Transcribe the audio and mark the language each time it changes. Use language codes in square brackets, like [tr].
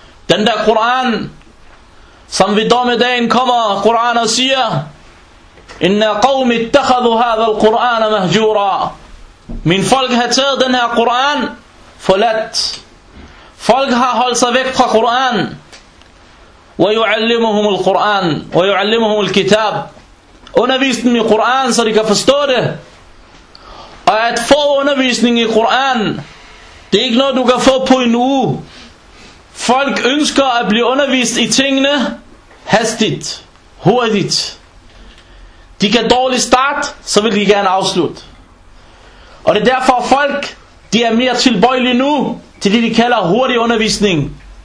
[da] Den der Koran, som ved dommedagen kommer, Koran og siger, [ar] إن قوم اتخذوا هذا القرآن مهجورا. [da] Min folk har taget den her Koran for let. Folk har holdt sig væk fra Koran. [ar] ويعلمهم القرآن ويعلمهم الكتاب. [da] Undervist dem i Koran, så de kan forstå det. Og at få undervisning i Koran, det er ikke noget du kan få på en uge. Folk ønsker at blive undervist i tingene hastigt, hurtigt. De kan dårligt starte, så vil de gerne afslutte. Og det er derfor folk, de er mere tilbøjelige nu til det de kalder hurtig undervisning.